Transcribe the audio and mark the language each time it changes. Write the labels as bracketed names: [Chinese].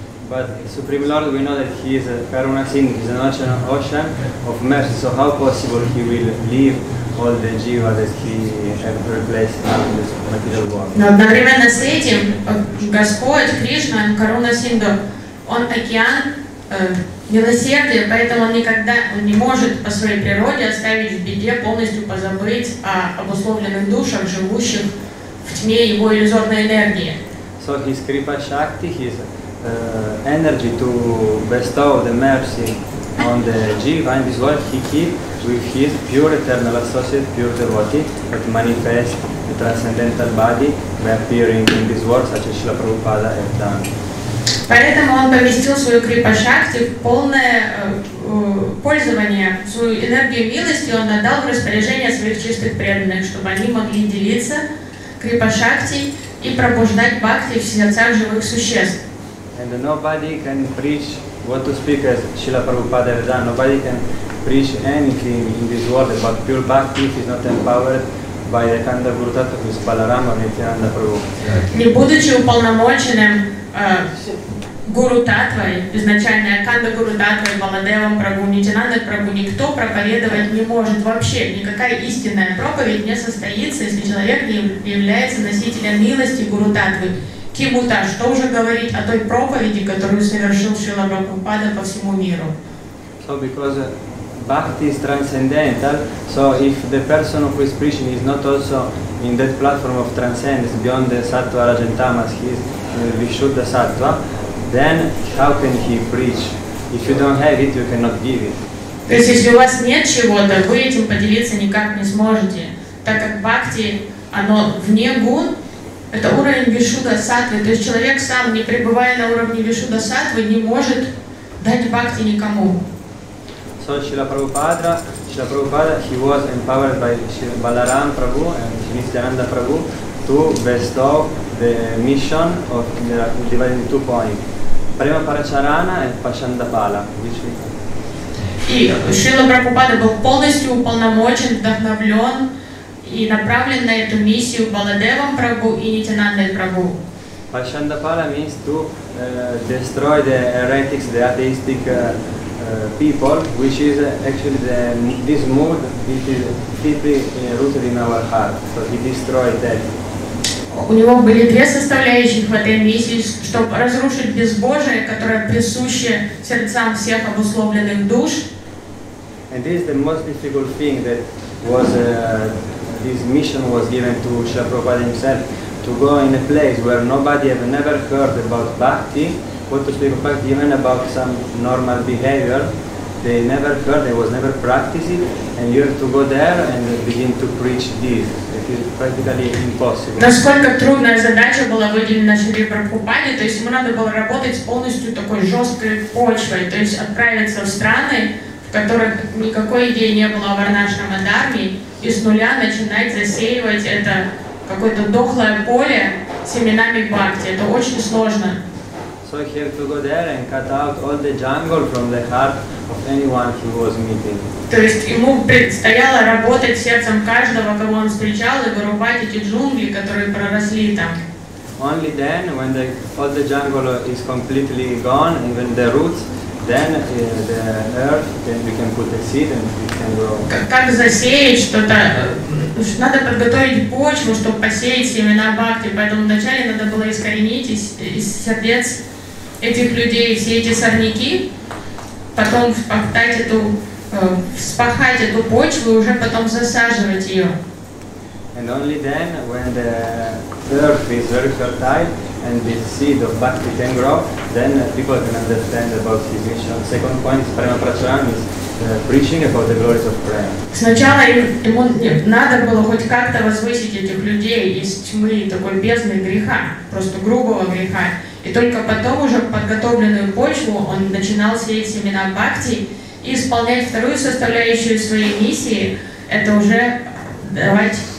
[English] But Supreme Lord, we know that He is a Karuna Sindhu, He is an ocean of mercy. So how possible He will leave all the jiva that He has replaced now in this material world? [Russian] Но одновременно с этим Господь Кришна, Karuna Sindhu, Он океан милосердия, поэтому Он никогда не может по своей природе оставить в беде, полностью позабыть о обусловленных душах, живущих в тьме Его иллюзорной энергии. [English] So His Kripa Shakti, His energy to bestow the mercy on the jiva in this world, he keep with his pure eternal associate, pure devotee, that manifests the transcendental body by appearing in this world, such as Srila Prabhupada has done. [Russian] Поэтому он поместил свою крипа-шакти в полное пользование, свою энергию милости он отдал в распоряжение своих чистых преданных, чтобы они могли делиться крипа-шакти и пробуждать бхакти в сердцах живых существ. [English] And nobody can preach want to speak as Srila Prabhupada has done. Nobody can preach anything in this world about pure bhakti if he's not empowered by the kind of guru tattva with Balarama Nityananda Prabhu. [Russian] Не будучи уполномоченным гуру таттвой, изначально Канда гуру таттвой, Баладевом Прабху, Нитянанда Прабху, никто проповедовать не может вообще. Никакая истинная проповедь не состоится, если человек не является носителем милости гуру таттвы. Кимута, что уже говорить о той проповеди, которую совершил Шрила Прабхупада по всему миру? [English] So because bhakti is transcendental, so if the person who is preaching is not also in that platform of transcendence, beyond the sattva, rajantamas, he is vishuddha sattva, then how can he preach? If you don't have it, you cannot give it. [Russian] То есть, если у вас нет чего-то, вы этим поделиться никак не сможете, так как бхакти, оно вне гун, это уровень вишуда сатвы. То есть человек сам, не пребывая на уровне вишуда сатвы, не может дать бхакти никому. [English] So Srila Prabhupada, he was empowered by Balaram Prabhu and Nityananda Prabhu to bestow the mission of dividing two points. Prema Paracharana and Pashanda Pala. [Russian] И Шрила Прабхупада был полностью уполномочен, вдохновлен и направлен на эту миссию Баладевом Прабху и Нитянандой Прабху. [English] Pashanda Pala means to destroy the heretics, the atheistic people, which is actually the, this mood, it is deeply rooted in our heart. So he destroyed that. [Russian] У него были две составляющих в этой миссии, чтобы разрушить безбожие, которое присуще сердцам всех обусловленных душ. [English] And this is the most difficult thing that was this mission was given to Srila Prabhupada himself, to go in a place where nobody had never heard about bhakti, what to speak of bhakti, even about some normal behavior. They never heard, they was never practicing, and you have to go there and begin to preach this. It is practically impossible. [Russian] Насколько трудная задача была выделена Шри Прабхупаде, то есть ему надо было работать с полностью такой жесткой почвой, то есть отправиться в страны, в которых никакой идеи не было о варнашрама дхарме, и с нуля начинать засеивать это какое-то дохлое поле семенами бхакти. Это очень сложно. [English] So he had to go there and cut out all the jungle from the heart of anyone he was meeting. [Russian] То есть ему предстояло работать сердцем каждого, кого он встречал, и вырубать эти джунгли, которые проросли там. [English] Only then, when the, all the jungle is completely gone, even the roots, then the earth, then we can put a seed and it can grow. [Russian] Как засеять что-то? Надо подготовить почву, чтобы посеять семена бхакти. Поэтому вначале надо было искоренить из сердец этих людей все эти сорняки, потом вспахать эту почву и уже потом засаживать ее. [English] And only then, when the earth is very fertile and the seed of bhakti can grow, then people can understand about his mission. Second point is prema prachana, preaching about the glories of prema. [Russian] Сначала ему надо было хоть как-то возвысить этих людей из тьмы, такой бездны греха, просто грубого греха. И только потом уже подготовленную почву он начинал сеять семена бхакти и исполнять вторую составляющую своей миссии, это уже давать